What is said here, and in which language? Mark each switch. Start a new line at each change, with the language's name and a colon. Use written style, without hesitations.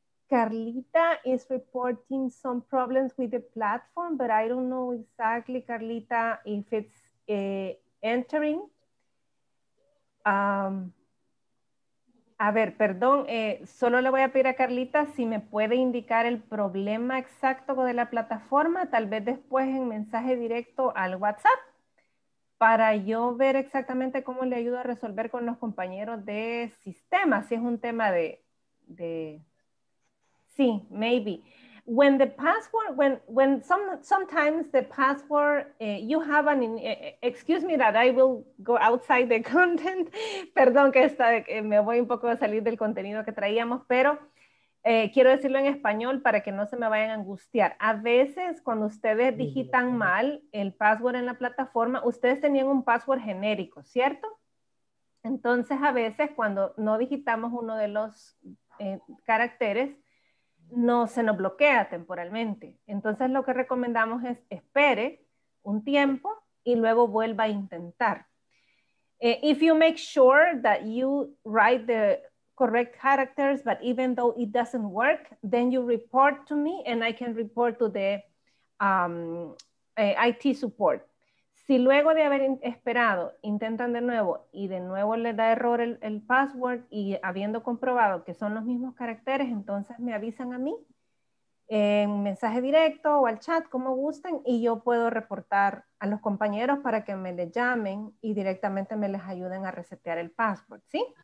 English: Carlita is reporting some problems with the platform, but I don't know exactly, Carlita, if it's entering.
Spanish: A ver, perdón, solo le voy a pedir a Carlita si me puede indicar el problema exacto de la plataforma, tal vez después en mensaje directo al WhatsApp, para yo ver exactamente cómo le ayudo a resolver con los compañeros de sistema, si es un tema de... Sí,
English: maybe. When the password, sometimes the password, you have an, excuse me that I will go outside the content,
Spanish: perdón que está, me voy un poco a salir del contenido que traíamos, pero quiero decirlo en español para que no se me vayan a angustiar. A veces cuando ustedes digitan mal el password en la plataforma, ustedes tenían un password genérico, ¿cierto? Entonces a veces cuando no digitamos uno de los caracteres, no se nos bloquea temporalmente. Entonces lo que recomendamos es espere un tiempo y luego vuelva a intentar.
English: If you make sure that you write the correct characters, but even though it doesn't work, then you report to me and I can report to the IT support.
Spanish: Si luego de haber esperado, intentan de nuevo y de nuevo le da error el password y habiendo comprobado que son los mismos caracteres, entonces me avisan a mí en mensaje directo o al chat, como gusten, y yo puedo reportar a los compañeros para que me les llamen y directamente me les ayuden a resetear el password, ¿sí?